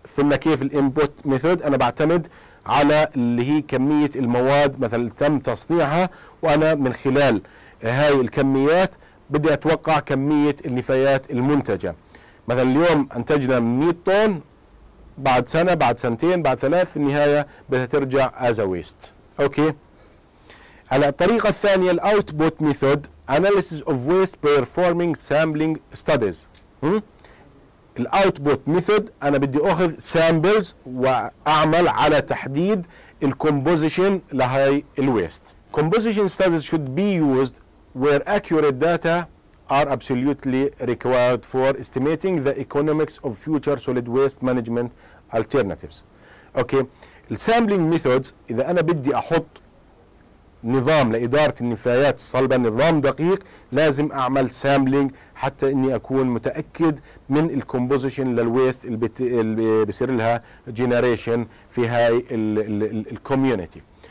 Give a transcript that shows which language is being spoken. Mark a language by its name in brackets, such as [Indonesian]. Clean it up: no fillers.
[Arabic] فهمنا كيف الانبوت ميثود؟ انا بعتمد على اللي هي كميه المواد مثلا تم تصنيعها، وانا من خلال هاي الكميات بدي اتوقع كميه النفايات المنتجه. مثلا اليوم انتجنا 100 طن، بعد سنه بعد سنتين بعد ثلاث في النهايه بدها ترجع [English] as a waste. [Arabic] اوكي، على الطريقة الثانية الـ [English] Output Method Analysis of Waste Performing Sampling Studies. [Arabic] الـ Output Method أنا بدي أخذ Samples وأعمل على تحديد الـ Composition لهاي الـ Waste. [English] Composition Studies should be used where accurate data are absolutely required for estimating the economics of future solid waste management alternatives. [Arabic] أوكي، الـ Sampling Methods إذا أنا بدي أحط نظام لإدارة النفايات الصلبة نظام دقيق لازم أعمل سامبلينج حتى أني أكون متأكد من الكومبوزيشن للويست اللي بيصير لها جينيريشن في هاي الكوميونيتي.